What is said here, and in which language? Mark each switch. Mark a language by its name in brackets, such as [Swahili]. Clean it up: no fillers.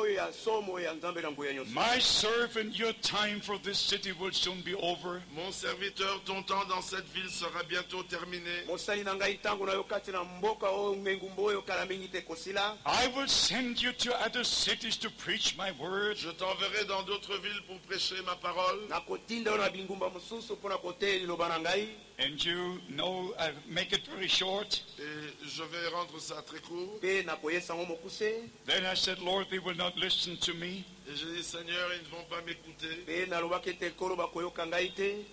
[English] My servant, your time for this city will soon be over. [French] Mon serviteur, ton temps dans cette ville sera bientôt terminé. [English] I will send you to other cities to preach my word. [French] Je t'enverrai dans d'autres villes pour prêcher ma parole. [English] And you know, I make it very short. [French] Et je vais rendre ça très court. [English] Then I said, Lord, they will not listen to me. [French] Et je dis, Seigneur, ils ne vont pas m'écouter.